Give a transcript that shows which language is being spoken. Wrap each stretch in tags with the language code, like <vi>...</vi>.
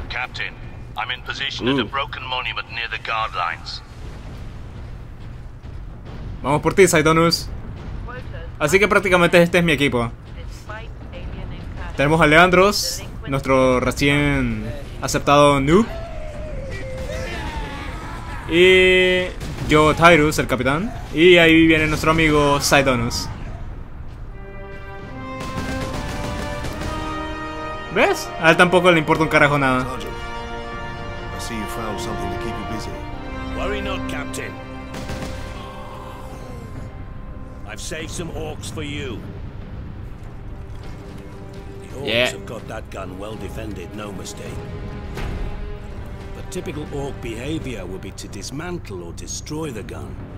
<en>Captain, I'm in position at a broken monument near the guard lines.</en> <es>Vamos por ti, Sidonus. Así que prácticamente este es mi equipo. Tenemos a Leandros, nuestro recién aceptado noob. Y yo, Tyrus, el capitán. Y ahí viene nuestro amigo Sidonus. ¿Ves? A él tampoco le importa un carajo nada.</es> <en>Sergeant, I see you found something to keep you busy. Worry not, Captain. I've saved some orcs for you. The orcs yeah. have got that gun well defended, no mistake. But typical orc behavior would be to dismantle or destroy the gun.</en>